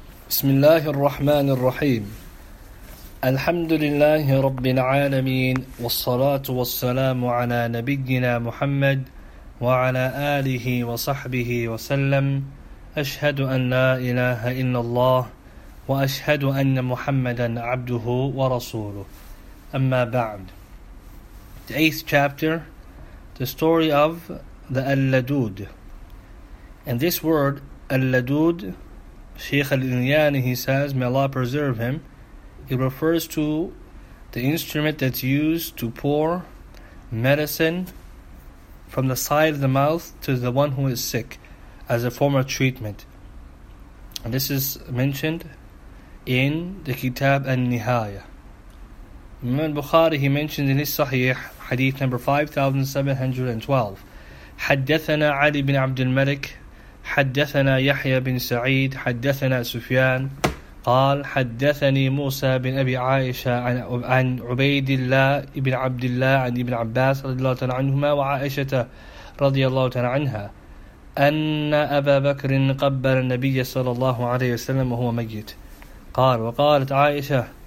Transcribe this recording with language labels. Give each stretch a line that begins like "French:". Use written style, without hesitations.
Arabic: بسم الله الرحمن الرحيم الحمد لله رب العالمين والصلاة والسلام على نبينا محمد وعلى آله وصحبه وسلم أشهد أن لا إله إلا الله وأشهد أن محمدا عبده ورسوله أما بعد
English: The eighth chapter, the story of the Al-Ladud. And this word, Al-Ladud, Shaykh Al-Inyani, he says, may Allah preserve him, it refers to the instrument that's used to pour medicine from the side of the mouth to the one who is sick as a form of treatment. And this is mentioned in the Kitab Al-Nihaya. Imam Bukhari, he mentioned in his Sahih, Hadith number 5712,
Arabic: حدثنا علي بن عبد الملك حدثنا يحيى بن سعيد حدثنا سفيان قال حدثني موسى بن أبي عائشة عن عبيد الله بن عبد الله عن ابن عباس رضي الله تعالى عنهما وعائشة رضي الله تعالى عنها أن أبا بكر قبل النبي صلى الله عليه وسلم وهو ميت قال وقالت عائشة